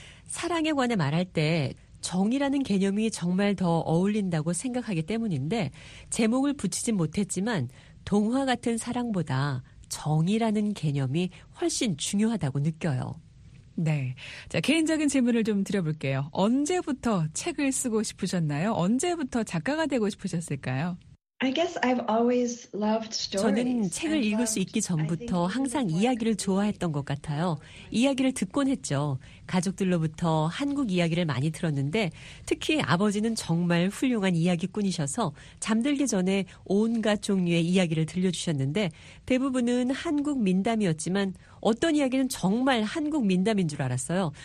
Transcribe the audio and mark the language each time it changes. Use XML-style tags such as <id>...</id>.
<ko>사랑에 관해 말할 때 정이라는 개념이 정말 더 어울린다고 생각하기 때문인데 제목을 붙이진 못했지만 동화 같은 사랑보다 정이라는 개념이 훨씬 중요하다고 느껴요. 네. 자, 개인적인 질문을 좀 드려볼게요. 언제부터 책을 쓰고 싶으셨나요? 언제부터 작가가 되고 싶으셨을까요?</ko> <en>I guess I've always loved stories.</en> <ko>저는 책을 읽을 수 있기 전부터 항상 이야기를 좋아했던 것 같아요. 이야기를 듣곤 했죠. 가족들로부터 한국 이야기를 많이 들었는데 특히 아버지는 정말 훌륭한 이야기꾼이셔서 잠들기 전에 온갖 종류의 이야기를 들려주셨는데 대부분은 한국 민담이었지만 어떤 이야기는 정말 한국 민담인 줄 알았어요.</ko>